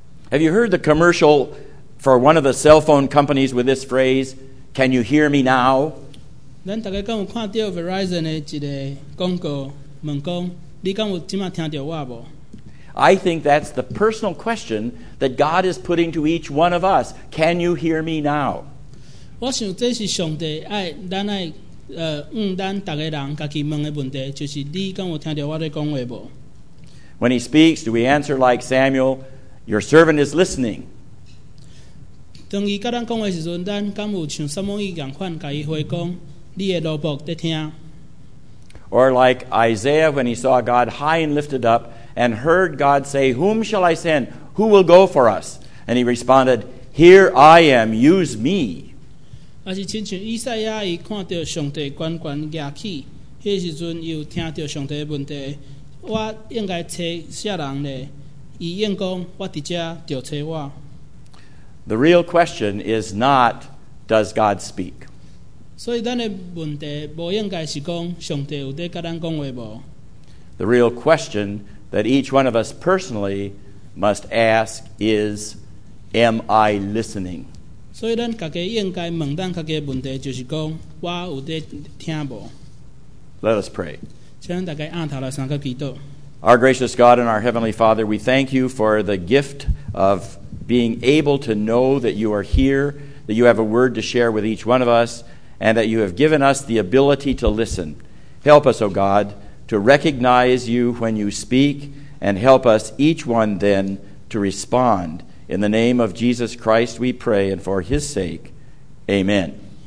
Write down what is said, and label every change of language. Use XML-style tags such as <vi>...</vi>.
<en>Have you heard the commercial for one of the cell phone companies with this phrase, "Can you hear me now?"</en> <nan>咱大概敢有看到 Verizon 的一个广告，问讲你敢有即马听到我无？</nan> <en>I think that's the personal question that God is putting to each one of us. Can you hear me now?</en> <nan>我想这是上帝爱咱爱咱大家人家己问的问题，就是你敢有听到我在讲话无</nan> <en>？When he speaks, do we answer like Samuel, "Your servant is listening"?</en> <nan>当伊甲咱讲话时阵，咱敢有像撒母耳共款，甲伊回讲，你的奴仆在听。</nan> <en>Or like Isaiah when he saw God high and lifted up and heard God say, Whom shall I send? Who will go for us? And he responded, Here I am, use me.</en> <nan>还是亲像以赛亚，伊看到上帝高高举起，迄时阵又听到上帝的问题，我应该找啥人呢？伊应讲，我伫遮，就找我。</nan> <en>The real question is not, does God speak?</en> <nan>所以咱的问题不应该是讲上帝有在甲咱讲话无。</nan> <en>The real question that each one of us personally must ask is, am I listening?</en> <nan>所以咱家己应该问咱家己的问题，就是讲，我有在听无</nan> <en>？Let us pray.</en> <nan>请大家按头来三个祈祷。</nan> <en>Our gracious God and our heavenly Father, we thank you for the gift of being able to know that you are here, that you have a word to share with each one of us, and that you have given us the ability to listen. Help us, O God, to recognize you when you speak, and help us each one then to respond.In the name of Jesus Christ, we pray, and for his sake, amen.</en>